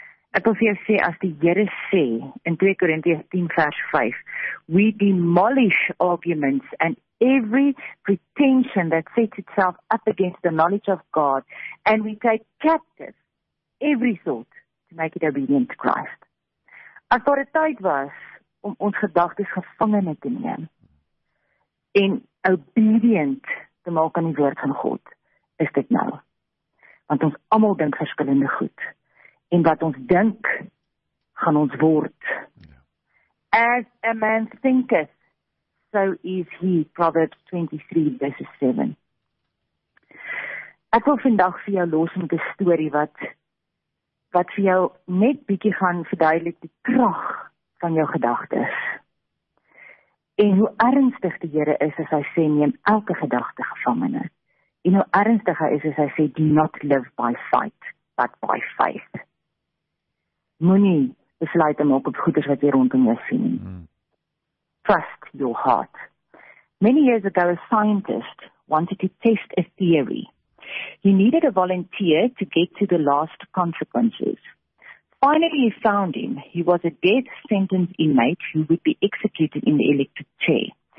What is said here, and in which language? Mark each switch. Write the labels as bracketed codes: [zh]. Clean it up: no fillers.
[af] Ek wil vir jou sê, as die Here sê, in 2 Korintiërs 10 vers 5, [en] we demolish arguments and every pretension that sets itself up against the knowledge of God, and we take captive every thought to make it obedient to Christ. [af] As daar 'n tyd was om ons gedagtes gevangene te neem en obedient te maak aan die woord van God, is dit nou. Want ons almal dink verskillende goed, en wat ons dink, gaan ons word. [en] As a man thinketh, so is he, Proverbs 23:7. [af] Ek wil vandag vir jou los met 'n storie wat vir jou net bietjie gaan verduidelik die krag van jou gedagtes. En hoe ernstig die Here is as hy sê neem elke gedagte gevangene. En hoe ernstig hy is as hy sê [en] do not live by sight, but by faith. [af] Moenie besluit te maak op goeders wat jy rondom jou sien. [en] Trust your heart. Many years ago, a scientist wanted to test a theory. He needed a volunteer to get to the last consequences. Finally, he found him. He was a death sentence inmate who would be executed in the electric chair.